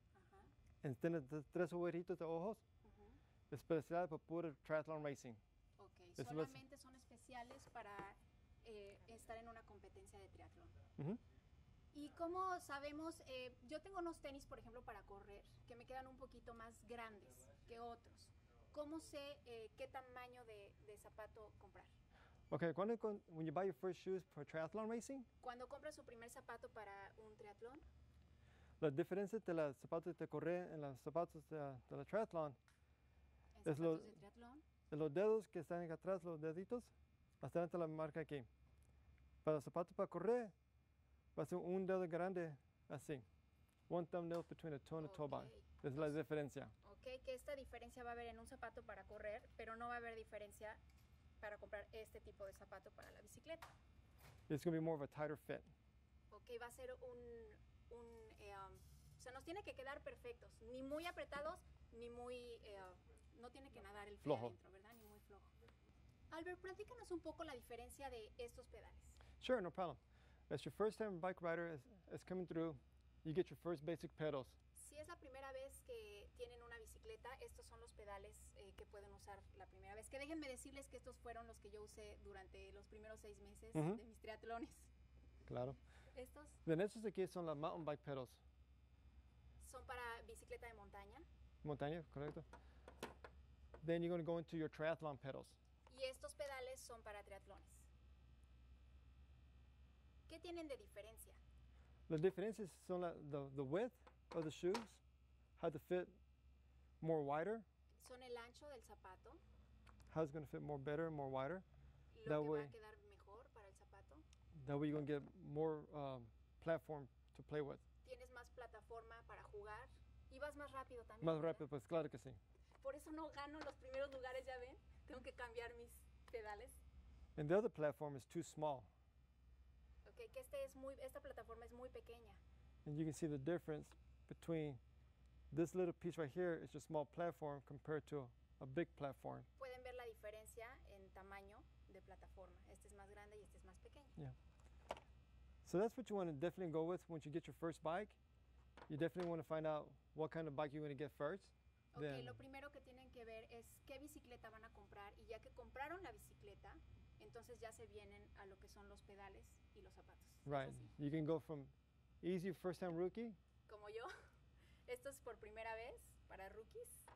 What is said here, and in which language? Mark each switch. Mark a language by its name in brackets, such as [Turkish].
[Spanish] Ajá. Tiene tres agujeritos de ojos. Especial para puro [English] triathlon racing. [Spanish] Ok, es solamente son especiales para estar en una competencia de triatlón. Uh-huh. Y como sabemos, yo tengo unos tenis, por ejemplo, para correr, que me quedan un poquito más grandes que otros. ¿Cómo sé qué tamaño de zapato comprar? [English] Ok, when you buy your first shoes for triathlon racing? [Spanish] Cuando compras su primer zapato para un triatlón. La diferencia de los zapatos de correr en los zapatos de la triatlón. Es los dedos que están acá atrás, los deditos, hasta adelante la marca aquí. Para los zapatos para correr, va a ser un dedo grande, así. [English] One thumbnail between a toe and a toe bar. [Spanish] Es la diferencia. Ok, que esta diferencia va a haber en un zapato para correr, pero no va a haber diferencia para comprar este tipo de zapato para la bicicleta. [English] It's going to be more of a tighter fit. [Spanish] Ok, va a ser o sea, nos tiene que quedar perfectos. Ni muy apretados, ni muy... No tiene que nadar el pie flojo adentro, ¿verdad? Ni muy flojo. Albert, platícanos un poco la diferencia de estos pedales. [English] Sure, no problem. As your first time bike rider is coming through, you get your first basic pedals. [Spanish] Si es la primera vez que tienen una bicicleta, estos son los pedales que pueden usar la primera vez. Que déjenme decirles que estos fueron los que yo usé durante los primeros 6 meses uh-huh. de mis triatlones. Claro. Estos. [English] Then [Spanish] estos aquí son las [English] mountain bike pedals. [Spanish] Son para bicicleta de montaña. Montaña, correcto. [English] Then you're going to go into your triathlon pedals. [Spanish] Y estos pedales son para triatlones. ¿Qué tienen de diferencia? [English] The differences [Spanish] son [English] the width of the shoes, how to fit more wider. [Spanish] Son el ancho del zapato. [English] How's going to fit more better and more wider. [Spanish] Lo [English] that [Spanish] que [English] way, [Spanish] va a quedar mejor para el zapato. [English] That way you're going to get more platform to play with. [Spanish] Tienes más plataforma para jugar y vas más rápido también. Más rápido, pues claro que sí. Por eso no gano los primeros lugares, ya ven. Tengo que cambiar mis pedales. [English] And the other platform is too small. [Spanish] Okay, que esta plataforma es muy pequeña. [English] And you can see the difference between this little piece right here is a small platform compared to a big platform. [Spanish] Pueden ver la diferencia en tamaño de plataforma. Este es más grande y este es más pequeño. [English] Yeah. So that's what you want to definitely go with when you get your first bike. You definitely want to find out what kind of bike you're going to get first. [Spanish] Okay, lo primero que tienen que ver es qué bicicleta van a comprar, y ya que compraron la bicicleta, entonces ya se vienen a lo que son los pedales y los zapatos. [English] Right, you can go from easy first time rookie. [Spanish] Como yo, esto es por primera vez para rookies.